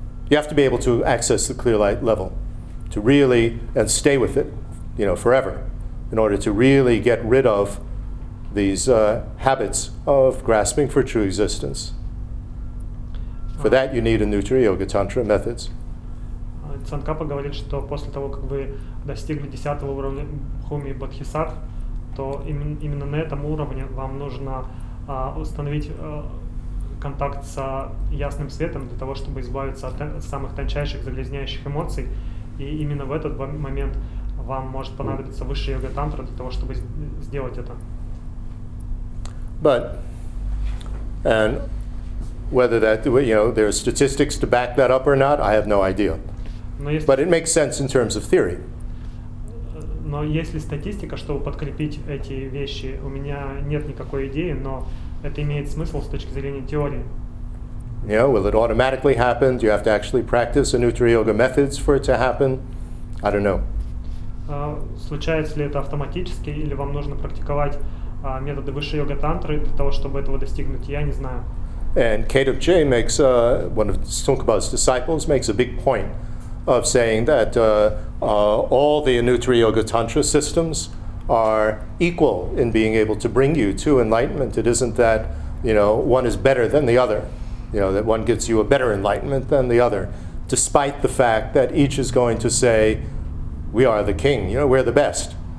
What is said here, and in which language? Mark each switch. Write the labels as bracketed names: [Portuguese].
[English] You have to be able to access the clear light level to really, and stay with it, you know, forever, in order to really get rid of these habits of grasping for true existence. For that, you need a neutra yoga tantra methods. [Russian] Цанкапа говорит, что после того, как вы достигли 10 уровня бхуми бодхисаттв, то именно на этом уровне вам нужно установить контакт с ясным светом для того, чтобы избавиться от самых тончайших загрязняющих эмоций. И именно в этот момент вам может понадобиться высшая йога-тантра для того, чтобы сделать это. [English] But, and whether that, you know, there are statistics to back that up or not, I have no idea. But it makes sense in terms of theory. [Russian] Но есть ли статистика, чтобы подкрепить эти вещи? У меня нет никакой идеи, но это имеет смысл с точки зрения теории. [English] Yeah, will it automatically happen? Do you have to actually practice anutra yoga methods for it to happen? I don't know. [Russian] Случается ли это автоматически, или вам нужно практиковать методы высшей йога тантры для того, чтобы этого достигнуть? Я не знаю. [English] And Kedup Jay makes one of Tsongkhapa's disciples makes a big point of saying that all the Anuttara Yoga Tantra systems are equal in being able to bring you to enlightenment. It isn't that, you know, one is better than the other, you know, that one gives you a better enlightenment than the other, despite the fact that each is going to say, we are the king, you know, we're the best.